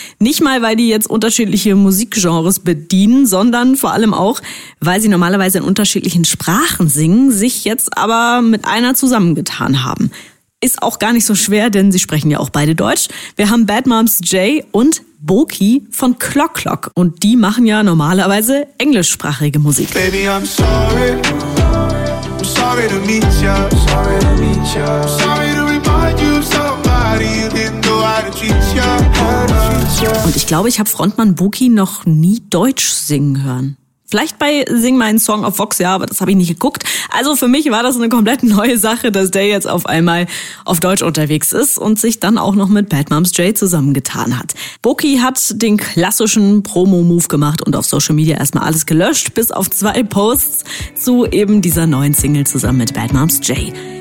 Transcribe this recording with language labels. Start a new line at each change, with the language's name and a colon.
German: Nicht mal, weil die jetzt unterschiedliche Musikgenres bedienen, sondern vor allem auch, weil sie normalerweise in unterschiedlichen Sprachen singen, sich jetzt aber mit einer zusammengetan haben. Ist auch gar nicht so schwer, denn sie sprechen ja auch beide Deutsch. Wir haben Bad Moms Jay und Boki von Clock Clock und die machen ja normalerweise englischsprachige Musik.
English: Baby, I'm sorry. Sorry to meet ya, sorry to meet ya. Sorry to remind you of somebody you didn't know how to treat ya.
German: Und ich glaube, ich habe Frontmann Boki noch nie Deutsch singen hören. Vielleicht bei Sing meinen Song auf Vox, ja, aber das habe ich nicht geguckt. Also für mich war das eine komplett neue Sache, dass der jetzt auf einmal auf Deutsch unterwegs ist und sich dann auch noch mit Bad Moms Jay zusammengetan hat. Boki hat den klassischen Promo-Move gemacht und auf Social Media erstmal alles gelöscht, bis auf 2 Posts zu eben dieser neuen Single zusammen mit Bad Moms Jay.